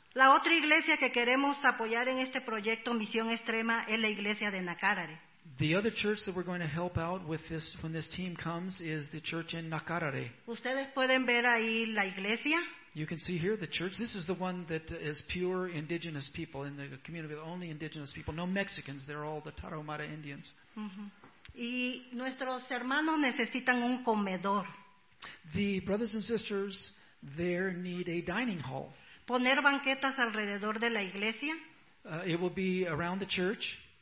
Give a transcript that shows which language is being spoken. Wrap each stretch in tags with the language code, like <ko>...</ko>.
<es>La otra iglesia que queremos apoyar en este proyecto Misión Extrema es la iglesia de Nacarare.</es> <en>The other church that we're going to help out with this when this team comes is the church in Nacarare.</en> <es>Ustedes pueden ver ahí la iglesia.</es> <en>You can see here the church. This is the one that is pure indigenous people in the community, with only indigenous people, no Mexicans. They're all the Tarahumara Indians.</en> <es>Uh-huh. Y nuestros hermanos necesitan un comedor.</es> <en>The brothers and sisters there need a dining hall.</en> <es>Poner banquetas alrededor de la iglesia.</es> <en>It will be around the church.</en>